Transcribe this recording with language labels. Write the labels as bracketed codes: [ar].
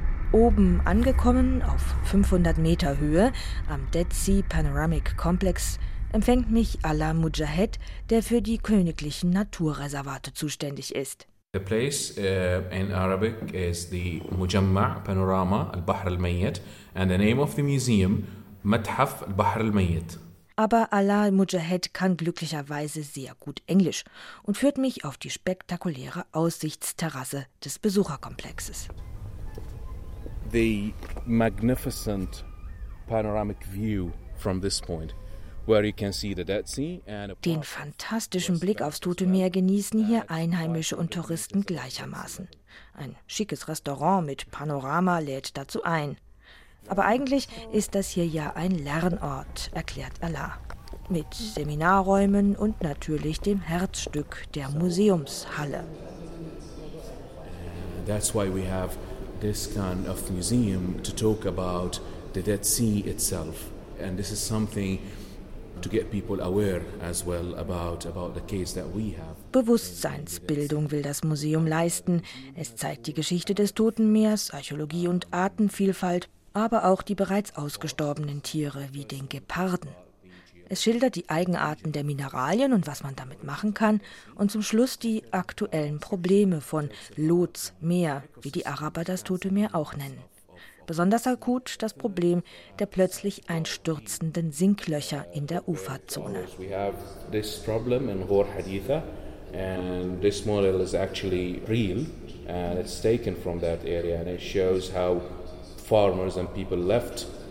[de] Oben angekommen, auf 500 Meter Höhe, am Dead Sea Panoramic Complex, empfängt mich Ala Mujahed, der für die königlichen Naturreservate zuständig ist. [en] The place in Arabic is the Mujamma Panorama al-Bahr al-Mayyit and the name of the museum, Mathaf al-Bahr al-Mayyit. [de] Aber Ala Mujahed kann glücklicherweise sehr gut Englisch und führt mich auf die spektakuläre Aussichtsterrasse des Besucherkomplexes. [en] The magnificent panoramic view from this point, where you can see the Dead Sea and a [de] den fantastischen Blick aufs Tote Meer genießen hier Einheimische und Touristen gleichermaßen. Ein schickes Restaurant mit Panorama lädt dazu ein. Aber eigentlich ist das hier ja ein Lernort, erklärt Allah. Mit Seminarräumen und natürlich dem Herzstück der Museumshalle. [en] That's why we have this kind of museum to talk about the Dead Sea itself. And this is something to get people aware as well about the case that we have. [de] Bewusstseinsbildung will das Museum leisten. Es zeigt die Geschichte des Toten Meers, Archäologie und Artenvielfalt, aber auch die bereits ausgestorbenen Tiere wie den Geparden. Es schildert die Eigenarten der Mineralien und was man damit machen kann und zum Schluss die aktuellen Probleme von Lotsmeer, wie die Araber das Tote Meer auch nennen. Besonders akut das Problem der plötzlich einstürzenden Sinklöcher in der Uferzone. [en] We have this problem in Hor Haditha and this model is actually real and it's taken from that area and it shows how farmers and people left.